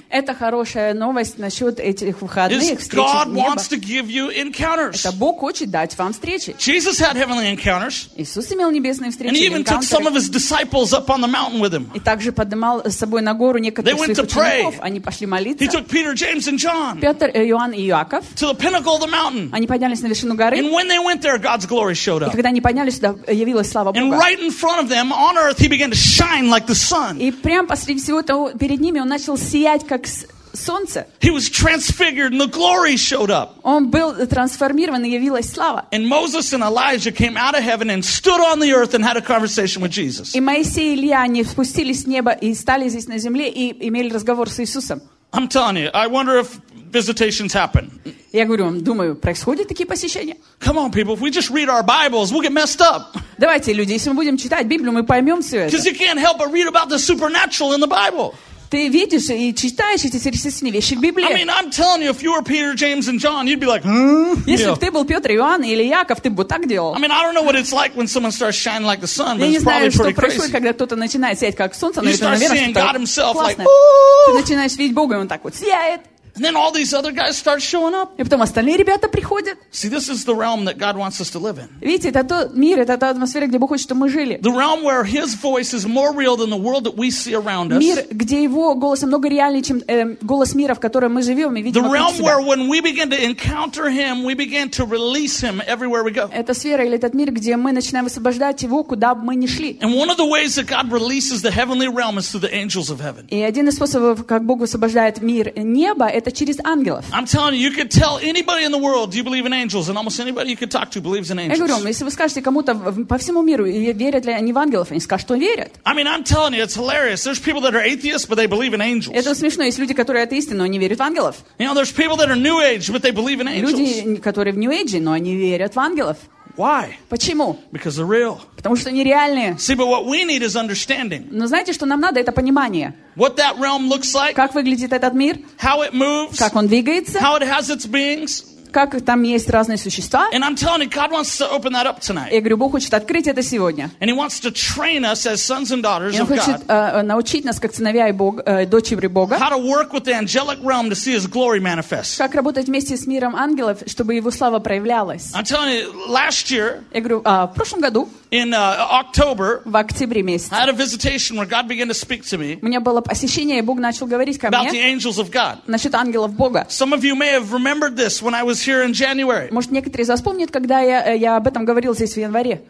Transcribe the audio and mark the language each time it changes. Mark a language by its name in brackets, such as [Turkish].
[Russian] Это хорошая новость насчет этих выходных. [English] God wants to give you encounters. [Russian] Это Бог хочет дать вам встречи. [English] Jesus had heavenly encounters. [Russian] Иисус имел небесные встречи. [English] And he even took some of his disciples up on the mountain with him. [Russian] И также поднимал с собой на гору некоторых своих учеников. Они пошли молиться. [English] He took Peter, James, and John. [Russian] Петр, Иоанн и Иаков. [English] To the pinnacle of the mountain. [Russian] Они поднялись на вершину горы. [English] And when they went there, God's glory showed up. [Russian] И когда они поднялись сюда, явилась слава Бога. [English] And right in front of them, on earth, he began to shine like the sun. [Russian] И прямо посреди всего того, перед ними он начал сиять как солнце. [English] He was transfigured and the glory showed up. [Russian] Он был трансформирован и явилась слава. [English] And Moses and Elijah came out of heaven and stood on the earth and had a conversation with Jesus. [Russian] И Моисей и Илия, они спустились с неба и стали здесь на земле и имели разговор с Иисусом. [English] I'm telling you, I wonder if visitations happen. [Russian] Я говорю вам, думаю, происходят такие посещения? [English] Come on, people, if we just read our Bibles, we'll get messed up. [Russian] Давайте, люди, если мы будем читать Библию, мы поймем все это. [English] Because you can't help but read about the supernatural in the Bible. [Russian] Ты видишь и читаешь эти сверхъестественные вещи в Библии. [English] I mean, I'm telling you, if you were Peter, James, and John, you'd be like, [Russian] Если бы ты был Петр, Иоанн или Яков, ты бы так делал. [English] I mean, I don't know what it's like when someone starts shining like the sun, but it's probably [Russian] Я не знаю, что происходит, когда кто-то начинает сиять как солнце, но это, наверное, что-то классное. [English] God himself, like, [Russian] ты начинаешь видеть Бога, и он так вот сияет. [English] And then all these other guys start showing up. [Russian] И потом остальные ребята приходят. [English] See, this is the realm that God wants us to live in. [Russian] Видите, это тот мир, это та атмосфера, где Бог хочет, чтобы мы жили. [English] The realm where His voice is more real than the world that we see around us. [Russian] Мир, где Его голос намного реальнее, чем голос мира, в котором мы живем и видим. [English] The realm where when we begin to encounter Him, we begin to release Him everywhere we go. [Russian] Это сфера или этот мир, где мы начинаем освобождать Его, куда бы мы ни шли. [English] And one of the ways that God releases the heavenly realm is through the angels of heaven. [Russian] И один из способов, как Бог освобождает мир неба, это через ангелов. [English] I'm telling you, you could tell anybody in the world, do you believe in angels? And almost anybody you could talk to believes in angels. [Russian] Я говорю, если вы скажете кому-то по всему миру, верят ли они в ангелов, они скажут, что верят. [English] I mean, I'm telling you, it's hilarious. There's people that are atheists, but they believe in angels. [Russian] Это смешно, есть люди, которые атеисты, но они верят в ангелов. [English] You know, there's people that are New Age, but they believe in angels. [Russian] Люди, которые в New Age, но они верят в ангелов. [English] Why? [Russian] Почему? [English] Because they're real. [Russian] Потому что они реальные. [English] See, but what we need is understanding. [Russian] Но знаете, что нам надо, это понимание. [English] What that realm looks like. [Russian] Как выглядит этот мир. [English] How it moves. [Russian] Как он двигается. [English] How it has its beings. [Russian] Как там есть разные существа. [English] And I'm telling you, God wants to open that up tonight. [Russian] Я говорю, Бог хочет открыть это сегодня. [English] And He wants to train us as sons and daughters of God. [Russian] Он хочет научить нас как сыновья и дочери Бога. [English] How to work with the angelic realm to see His glory manifest. [Russian] Как работать вместе с миром ангелов, чтобы Его слава проявлялась. [English] I'm telling you, last year. [Russian] Я говорю, в прошлом году. [English] In October. [Russian] В октябре месяце. [English] I had a visitation where God began to speak to me. [Russian] У меня было посещение, и Бог начал говорить ко мне. [English] About the angels of God. [Russian] Насчет ангелов Бога. [English] Some of you may have remembered this when I was here in January. [Russian] Может, некоторые из вас помнят, когда я об этом говорил здесь в январе.